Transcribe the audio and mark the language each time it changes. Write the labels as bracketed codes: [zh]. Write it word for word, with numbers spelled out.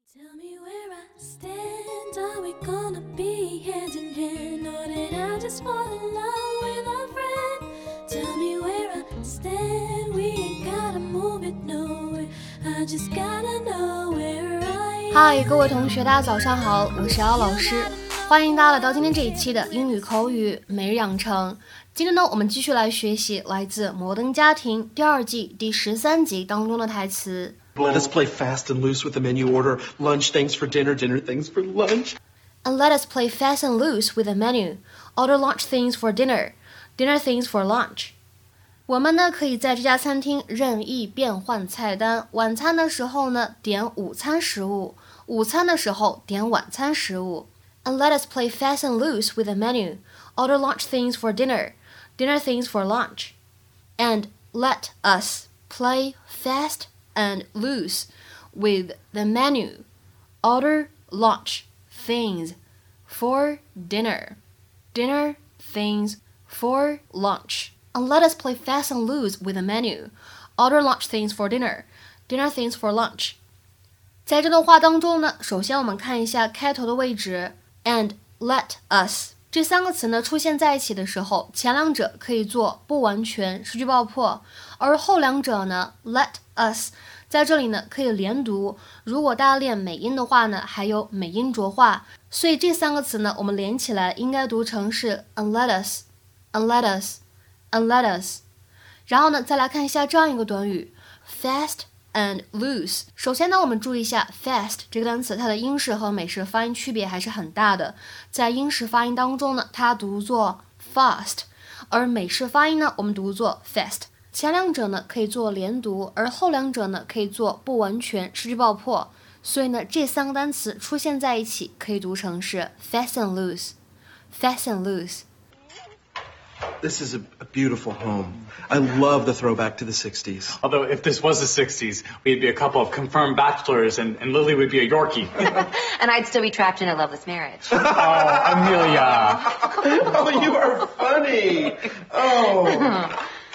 [en] Tell me where I stand, are we gonna be hand in hand, or did I just fall in love with a friend? Tell me where I stand, we ain't gotta move it nowhere, I just gotta know where I am. [zh] 嗨，各位同学，大家早上好，我是姚老师，欢迎大家来到今天这一期的英语口语每日养成。今天呢，我们继续来学习来自《摩登家庭》第二季第十三集当中的台词。 [en] Let us play fast and loose with the menu order. Lunch, thanks for dinner. Dinner, thanks for lunch. And let us play fast and loose with the menu. Order lunch, things for dinner. Dinner, things for lunch. [zh] 我们呢可以在这家餐厅任意变换菜单。晚餐的时候呢点午餐食物，午餐的时候点晚餐食物。 [en] And let us play fast and loose with the menu. Order lunch, things for dinner. Dinner, things for lunch. And let us play fast. And loose with the menu, order lunch things for dinner, dinner things for lunch. And let us play fast and loose with the menu, order lunch things for dinner, dinner things for lunch. [zh] 在这段话当中呢，首先我们看一下开头的位置 [en] and let us [zh] 这三个词呢出现在一起的时候，前两者可以做不完全失去爆破，而后两者呢 [en] let us [zh] 在这里呢可以连读，如果大家练美音的话呢还有美音浊化，所以这三个词呢我们连起来应该读成是 [en] and let us and let us [zh] and let us。然后呢再来看一下这样一个短语 [en] fast and loose。 [zh] 首先呢我们注意一下 fast 这个单词，它的英式和美式发音区别还是很大的，在英式发音当中呢它读作 fast， 而美式发音呢我们读作 fast。前两者呢可以做连读，而后两者呢可以做不完全失去爆破，所以呢这三个单词出现在一起可以读成是 [en] fast and loose, fast and loose。 This is a, a beautiful home. I love the throwback to the sixties. Although if this was the sixties, we'd be a couple of confirmed bachelors and, and Lily would be a Yorkie. And I'd still be trapped in a loveless marriage. Oh, Amelia. Oh, you are funny. Oh.